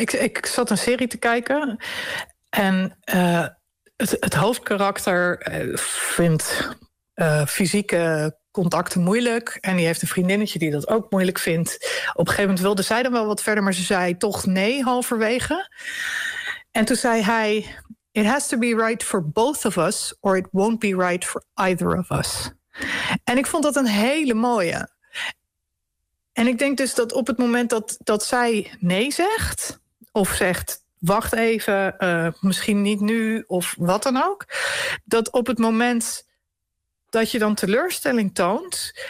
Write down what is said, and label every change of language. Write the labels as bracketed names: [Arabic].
[Dutch] Ik zat een serie te kijken. En het hoofdkarakter vindt fysieke contacten moeilijk. En die heeft een vriendinnetje die dat ook moeilijk vindt. Op een gegeven moment wilde zij dan wel wat verder, maar ze zei toch nee halverwege. En toen zei hij, [English] it has to be right for both of us, or it won't be right for either of us. [Dutch] En ik vond dat een hele mooie. En ik denk dus dat op het moment dat zij nee zegt, of zegt... wacht even, misschien niet nu of wat dan ook. Dat op het moment dat je dan teleurstelling toont...